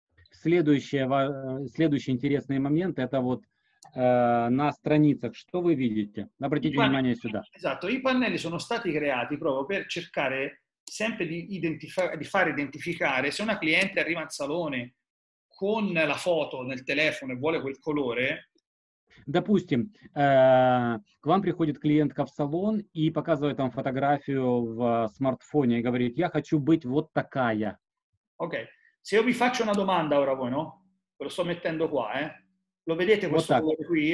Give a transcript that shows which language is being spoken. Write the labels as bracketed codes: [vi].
[ru] Следующий интересный момент это вот на страницах, что вы видите? Обратите внимание сюда. [it] Esatto, i pannelli sono stati creati proprio per cercare sempre di far identificare se una cliente arriva al salone con la foto nel telefono e vuole quel colore. [ru] Допустим, к вам приходит клиентка в салон и показывает вам фотографию в смартфоне и говорит: «Я хочу быть вот такая». Окей. [it] Okay. Se io vi faccio una domanda ora voi, no? Ve lo sto mettendo qua, eh? Lo vedete questo [ru] вот [it] colore qui?